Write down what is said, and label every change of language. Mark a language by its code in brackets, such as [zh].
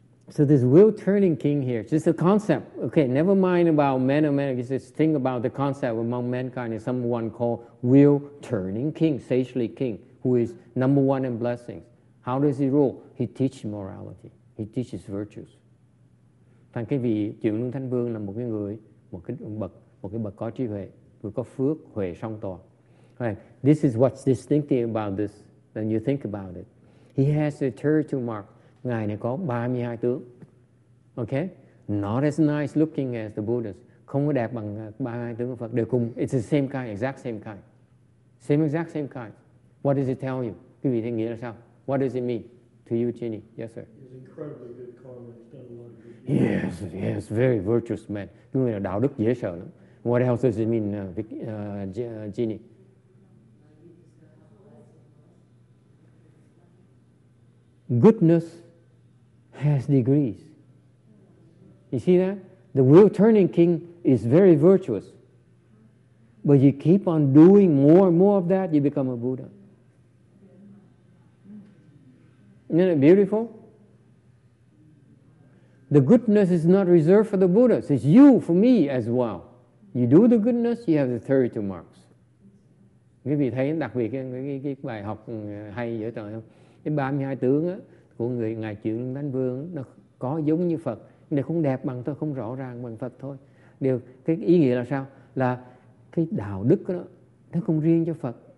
[en] So this wheel-turning king here, just a concept. Okay, never mind about men or men. Just think about the concept among mankind is someone called wheel-turning king, sagely king, who is number one in blessings. How does he rule? He teaches morality. He teaches virtues. [vi] Thành cái vị Triệu Luân Thanh Vương là một cái người, một cái bậc có trí huệ, vừa có phước, huệ song toàn. [en] Right. This is what's distinctive about this. When you think about it, he has a territorial mark. [vi] Ngài này có 32 tướng. [en] Okay, not as nice looking as the Buddhas. [vi] Không có đẹp bằng 32 tướng của Phật. Đều cùng. [en] It's the same kind, exact same kind. What does it tell you? [vi] Quý vị thấy nghĩa là sao? [en] What does it mean to you, Chini? Yes, sir. He's incredibly good karma. He's done a lot of good. Yes, very virtuous man. [vi] Người là đạo đức dễ sợ lắm. [en] What else does it mean, Chini? Goodness has degrees. You see that? The wheel-turning king is very virtuous. But you keep on doing more and more of that, you become a Buddha. Isn't it beautiful? The goodness is not reserved for the Buddhas. It's you, for me as well. You do the goodness, you have the 32 marks. [vi] Quý vị thấy đặc biệt cái bài học hay giữa trời không? Cái 32 tướng á, của người Ngài Triệu Luân Thanh Vương nó có giống như Phật, nhưng nó không đẹp bằng thôi, không rõ ràng bằng Phật thôi. Điều cái ý nghĩa là sao? Là cái đạo đức đó nó không riêng cho Phật.